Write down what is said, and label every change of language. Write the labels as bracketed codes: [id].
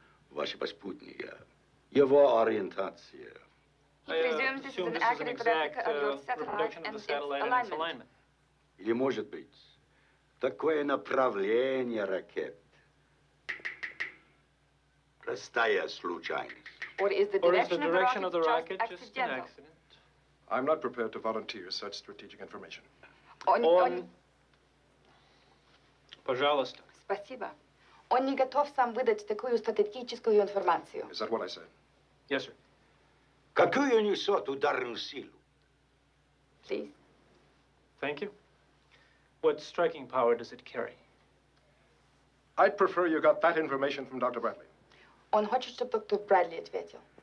[ru] Ваши спутники, его ориентация. [en] Presume this is an accurate replica of your satellite and its alignment. [ru] Или может быть такое направление ракет? Простая случайность. [en] Or is the direction of the rocket just accidental? I'm not prepared to volunteer such strategic information. [ru] Он... Пожалуйста. Спасибо. Он не готов сам выдать такую стратегическую информацию. [en] Is that what I said? Yes, sir. [ru] Какую несет ударную силу? [en] Please. Thank you. What striking power does it carry? I'd prefer you got that information from Dr. Bradley. [ru] Он хочет, чтобы доктор Брэдли ответил.